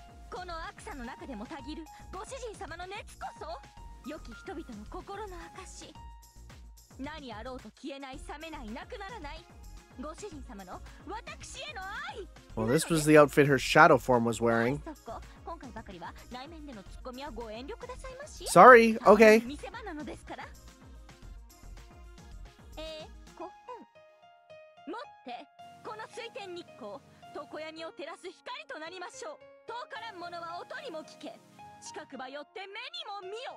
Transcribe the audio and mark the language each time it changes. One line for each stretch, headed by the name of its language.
Japanese: この悪さの中でもたぎるご主人様の熱こそ良き人々の心の証。何あろうと消えない、冷めない、なくならないご主人様の私への愛。
English: Well, this was the outfit her shadow form was wearing.
Japanese: 今回ばかりは内面でのツッコミはご遠慮くださいまし。
English: Sorry, okay.
Japanese: 見せ場なのですから。古墳持って、この水天日光常闇を照らす光となりましょう。遠からんものは音にも聞け、近くば寄って目にも見よ。